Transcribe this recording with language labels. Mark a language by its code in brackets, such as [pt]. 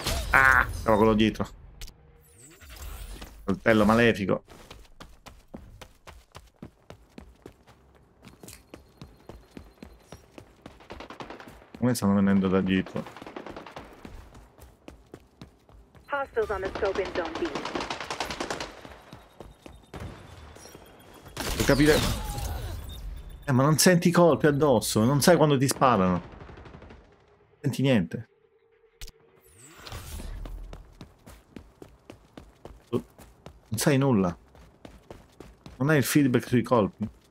[it] Ah, stavo quello dietro. Coltello malefico. Come stanno venendo da dietro? [en] Hostiles on the scope in zone B. [it] Per capire. Ma non senti i colpi addosso, non sai quando ti sparano. Non senti niente. Non sai nulla. Non hai il feedback sui colpi.